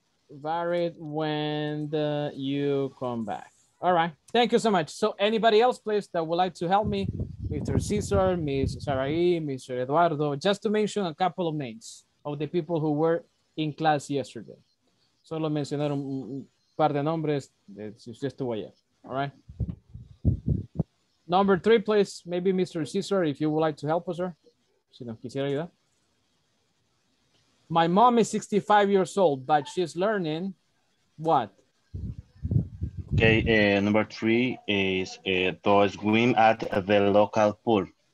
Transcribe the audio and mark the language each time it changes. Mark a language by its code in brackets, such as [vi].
[en] Varied when you come back. All right, thank you so much. So anybody else please that would like to help me, Mr. Cesar, Ms. Sarai, Mr. Eduardo, just to mention a couple of names of the people who were in class yesterday. [es] Solo mencionar un par de nombres de si usted estuvo allá. [en] All right. Number three, please. Maybe Mr. Cesar, if you would like to help us, sir. [es] Si nos quisiera ayudar. [en] My mom is 65 years old, but she's learning what? Okay. Number three is to swim at the local pool.